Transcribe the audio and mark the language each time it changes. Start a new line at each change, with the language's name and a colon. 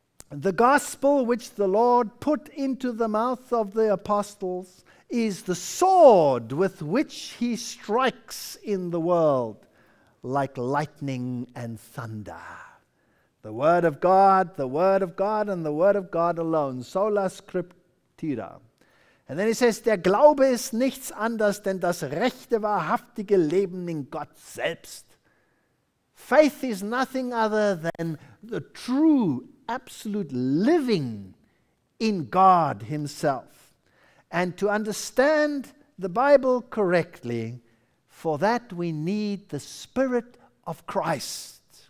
English: The gospel which the Lord put into the mouth of the apostles is the sword with which he strikes in the world like lightning and thunder. The word of God, the word of God, and the word of God alone.
Latin: Sola scriptura.
English: And then he says,
German: der Glaube ist nichts anders denn das rechte, wahrhaftige Leben in Gott selbst.
English: Faith is nothing other than the true, absolute living in God himself. And to understand the Bible correctly, for that we need the Spirit of Christ.